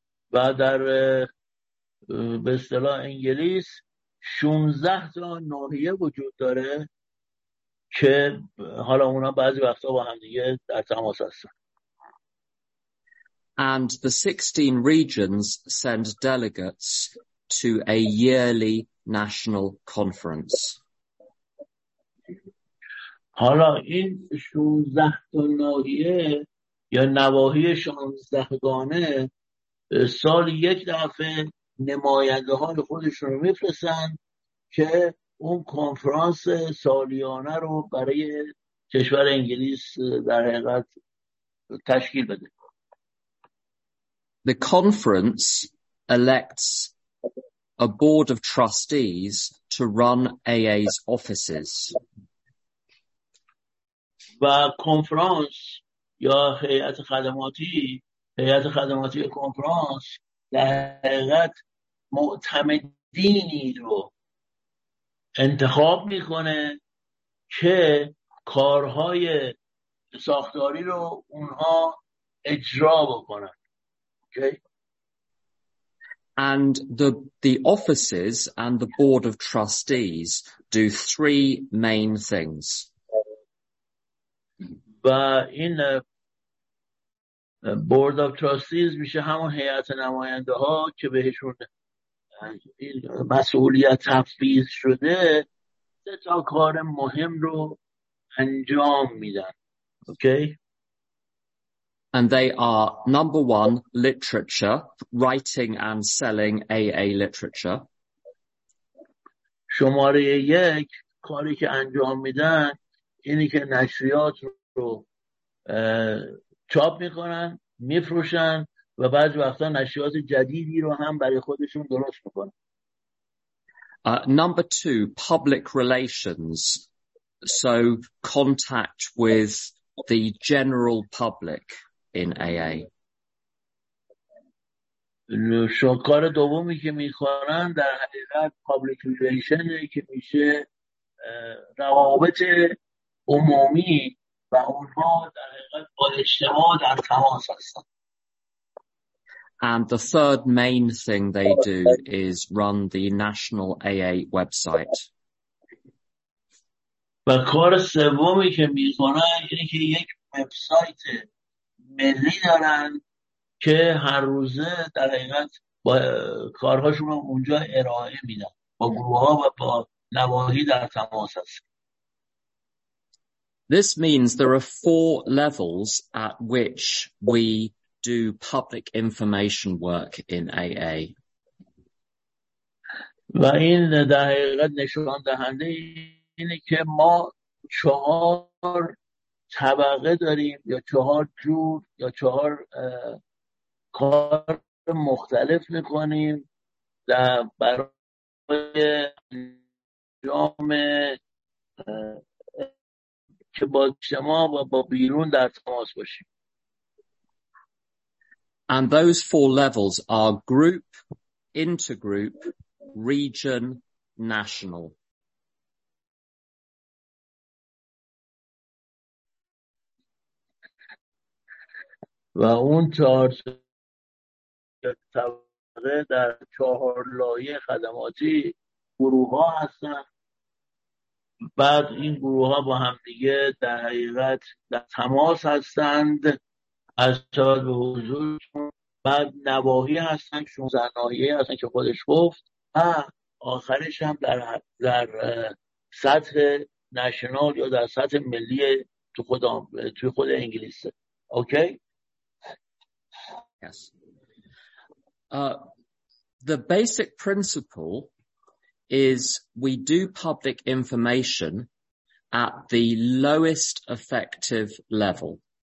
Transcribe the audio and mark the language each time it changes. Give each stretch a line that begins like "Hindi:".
Persian: و در به اصطلاح انگلیس 16 تا ناحیه وجود داره که حالا اونا بعضی وقتا با هم دیگه در تماس هستن.
English: And the 16 regions send delegates to a yearly national conference.
Persian: حالا این 16 تا ناحیه یا نواحی 16 گانه سال یک دفعه نماینده های خودشون رو میفرستن که اون کنفرانس سالیانه رو برای کشور انگلیس در حقیقت تشکیل بده.
English: The conference elects a board of trustees to run AA's offices.
Persian: و کنفرانس یا هیئت خدماتی هیئت خدماتی کنفرانس در حقیقت معتمدینی رو انتخاب میکنه که کارهای ساختاری رو اونها اجرا بکنن. Okay.
English: And the offices and the board of trustees do three main things.
Persian: و این بورد آف تراستیز میشه همون هیئت نماینده ها که بهشون این مسئولیت تفویض شده سه تا کار مهم رو انجام میدن. اوکی؟
English: And they are number one, literature, writing and selling AA literature.
Persian: شماره یک کاری که انجام میدن اینی که نشریات رو چاپ میکنن میفروشن و بعضی وقتا نشریات جدیدی رو هم برای خودشون درست میکنن.
English: Number two, public relations. So contact with the general public in AA.
Persian: کار دومی که میکنن در حقیقت public relations که میشه روابط عمومی و اونها در حقیقت با اجتماع در تماس هستن.
English: And the third main thing they do is run the national AA website.
Persian: و کار سومی که میکنن اینه که یک وبسایت ملی دارن که هر روزه در حقیقت با کارهاشون اونجا ارائه میدن با گروه ها و با نواحی در تماس هستن.
English: This means there are four levels at which we do public information work in AA.
Persian: و این در حقیقت نشان دهنده اینه که ما چهار طبقه داریم یا چهار جور یا چهار کار مختلف میکنیم در برای انجام که با شما و با بیرون در تماس باشیم.
English: And those four levels are group, intergroup, region, national.
Persian: و اون چهار طبقه در چهار لایه خدماتی گروه ها هستن. بعد این گروه ها با هم دیگه در حقیقت در تماس هستند از تاد به حضورشون. بعد نواحی هستن 16 ناحیه هستن که خودش گفت و آخرش هم در سطح نشنال یا در سطح ملی تو خود انگلیس. اوکی؟
English: Yes. The basic principle is we do public information at the lowest effective level.